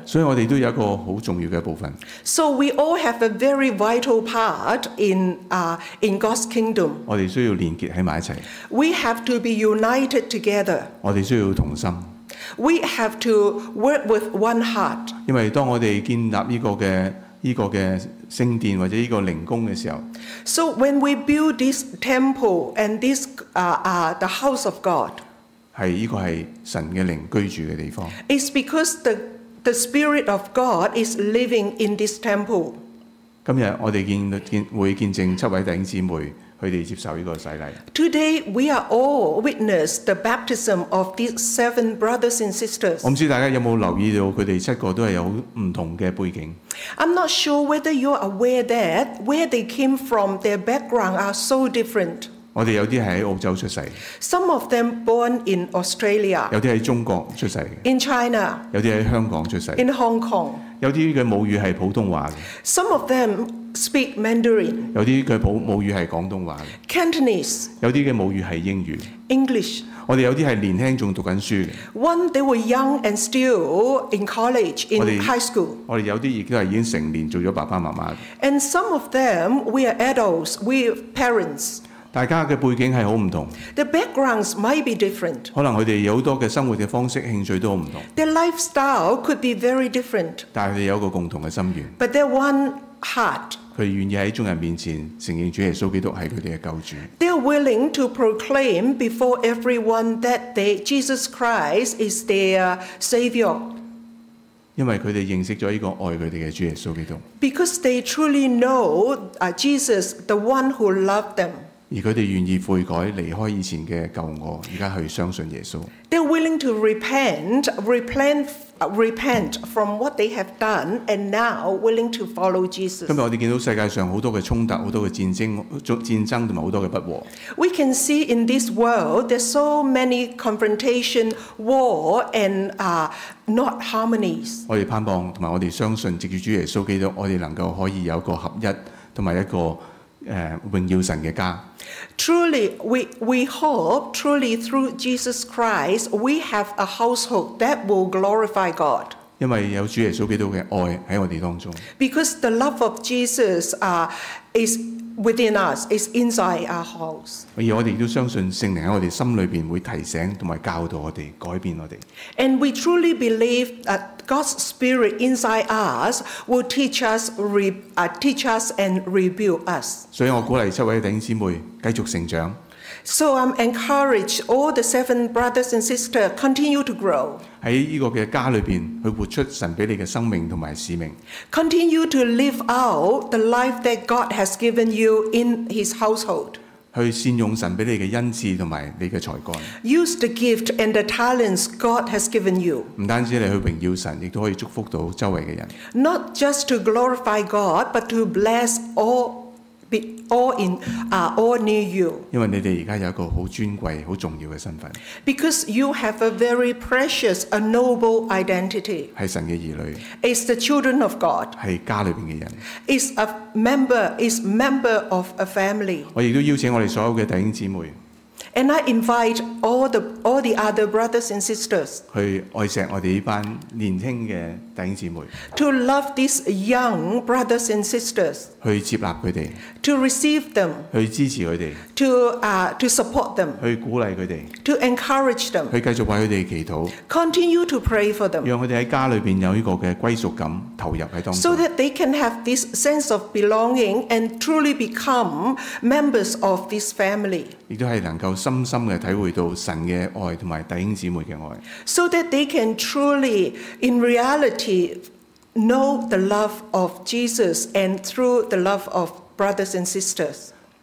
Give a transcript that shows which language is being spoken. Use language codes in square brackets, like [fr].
[zh] 所以我们都有一个很重要的部分。 [en] So we all have a very vital part in God's kingdom. [zh] 我们需要连结在一起。 [en] We have to be united together. [zh] 我们需要同心。 [en] We have to work with one heart. [zh] 因为当我们建立这个的这个的圣殿或者这个灵宫的时候， [en] So when we build this temple and this the house of God, [zh] 是这个是神的灵居住的地方。 [en] It's because the Spirit of God is living in this temple. [zh] 今天我们会见证七位弟兄姊妹他们接受这个洗礼。 [en] Today we are all witness the baptism of these seven brothers and sisters. [zh] 我不知道大家有没有留意到他们七个都是有不同的背景。 [en] I'm not sure whether you are aware that where they came from, their background are so different. [zh] 我们有些是在澳洲出生。 [en] Some of them born in Australia. [zh] 有些在中国出生。 [en] In China. [zh] 有些在香港出生。 [en] In Hong Kong. [zh] 有些的母语是普通话的。 [en] Some of them speak Mandarin. [zh] 有些的母语是广东话的。 [en] Cantonese. [zh] 有些的母语是英语。 [en] English. [zh] 我们有些是年轻还在读书的。 [en] One, they were young and still in college, in high school. [zh] 我们有些都已经成年做了爸爸妈妈。 [en] And some of them, we are adults, we are parents. [zh] 大家的背景是很不同。 [en] The backgrounds might be different. [zh] 可能他们有很多的生活的方式、兴趣都很不同。 [en] Their lifestyle could be very different. [zh] 但他们有一个共同的心愿。 [en] But they're one heart. [zh] 他们愿意在众人面前承认主耶稣基督是他们的救主。 [en] They're willing to proclaim before everyone that Jesus Christ is their savior. [zh] 因为他们认识了一个爱他们的主耶稣基督。 [en] Because they truly know Jesus, the one who loved them. [zh] 而他们愿意悔改，离开以前的旧我，现在去相信耶稣。 [en] They're willing to repent from what they have done, and now willing to follow Jesus. [zh] 今天我们看到世界上很多的冲突，很多的战争和很多的不和。 [en] We can see in this world, there's so many confrontation, war, and not harmonies. [zh] 我们盼望和我们相信，藉着主耶稣基督，我们能够可以有一个合一，和一个荣耀神的家。 [en] Truly, we hope, truly through Jesus Christ, we have a household that will glorify God. Because the love of Jesus is within us, is inside our house. [zh] 而我们也相信圣灵在我们心里面会提醒和教导我们，改变我们。 [en] And we truly believe that God's Spirit inside us will teach us and rebuild us. [zh] 所以我鼓励七位弟兄姊妹继续成长。 [en] So I'm encouraged all the seven brothers and sisters continue to grow. [zh] 在这个家里面去活出神给你的生命和使命。 [en] Continue to live out the life that God has given you in his household. [zh] 去善用神给你的恩赐和你的才干。 [en] Use the gift and the talents God has given you. [zh] 不单止你去荣耀神，也可以祝福到周围的人。 [en] Not just to glorify God, but to bless all near you. [zh] 因为你们现在有一个很尊贵很重要的身份。 [en] Because you have a very precious, a noble identity. [zh] 是神的儿女。 [en] It's the children of God. [zh] 是家里面的人。 [en] It's a member of a family. [zh] 我也邀请我们所有的弟兄姊妹。 [en] And I invite all the other brothers and sisters. [zh] 去爱惜我们这班年轻的弟兄姊妹。 [en] To love these young brothers and sisters. [zh] 去接纳他们。 [en] To receive them. [zh] 去支持他们。 [en] To support them. [zh] 去鼓励他们。 [en] To encourage them. [zh] 去继续为他们祈祷。 [en] Continue to pray for them. [zh] 让他们在家里面有一个归属感，投入在当中。 [en] So that they can have this sense of belonging and truly become members of this family. [zh] 也是能够深深地体会到神的爱和弟兄姊妹的爱。 [en] So that they can truly, in reality, know the love of Jesus and through the love of brothers and sisters.